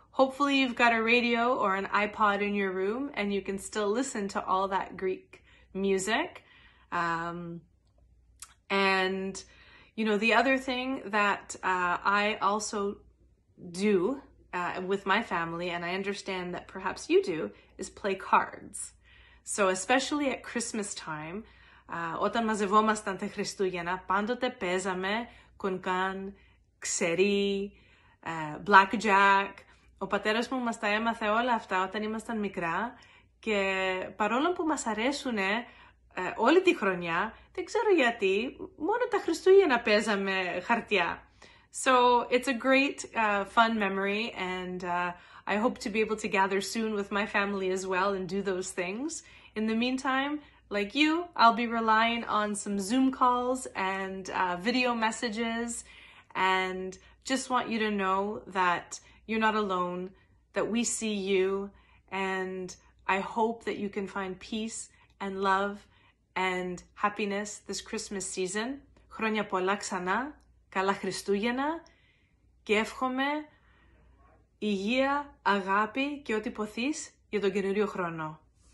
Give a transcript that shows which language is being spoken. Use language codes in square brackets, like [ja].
[en] Hopefully you've got a radio or an iPod in your room and you can still listen to all that Greek music. And you know, the other thing that I also do with my family, and I understand that perhaps you do, is play cards. So especially at Christmas time, [el] όταν μαζευόμασταν τα Χριστούγεννα, πάντοτε παίζαμε κουνκάν, ξερί, blackjack. Ο πατέρας μου μας τα έμαθε όλα αυτά όταν ήμασταν μικρά και παρόλο που μας αρέσουν όλη τη χρονιά, δεν ξέρω γιατί, μόνο τα Χριστούγεννα παίζαμε χαρτιά. [en] So it's a great fun memory and I hope to be able to gather soon with my family as well and do those things. In the meantime, like you, I'll be relying on some Zoom calls and video messages and just want you to know that you're not alone, that we see you, and I hope that you can find peace and love and happiness this Christmas season. [el] Χρόνια πολλά ξανά, καλά Χριστούγεννα και εύχομαι υγεία, αγάπη και ό,τι ποθείς για τον καινούριο χρόνο.